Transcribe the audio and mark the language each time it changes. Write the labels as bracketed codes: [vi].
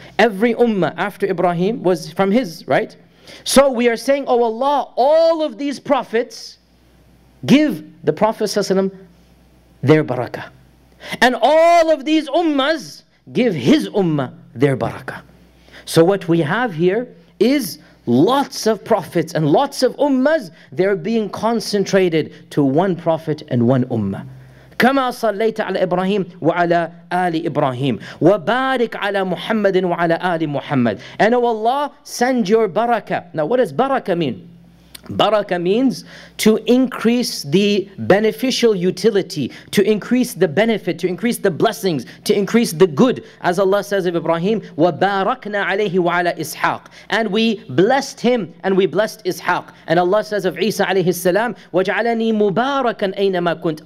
[en] Every ummah after Ibrahim was from his, right? So we are saying, oh Allah, all of these prophets, give the Prophet ﷺ their barakah. And all of these ummas, give his ummah their barakah. So what we have here is lots of prophets and lots of ummas, they're being concentrated to one prophet and one ummah. [ar] كما صليت على إبراهيم وعلى آل إبراهيم وبارك على محمد وعلى آل محمد. [en] And oh Allah, send your barakah. Now what does barakah mean? Barakah means to increase the beneficial utility, to increase the benefit, to increase the blessings, to increase the good. As Allah says of Ibrahim, [ar] وَبَارَكْنَا عَلَيْهِ وَعَلَىٰ إِسْحَاقِ. [en] And we blessed him and we blessed Ishaq. And Allah says of Isa alayhi salam, [ar] وَجْعَلَنِي مُبَارَكًا أَيْنَمَا كُنْتَ.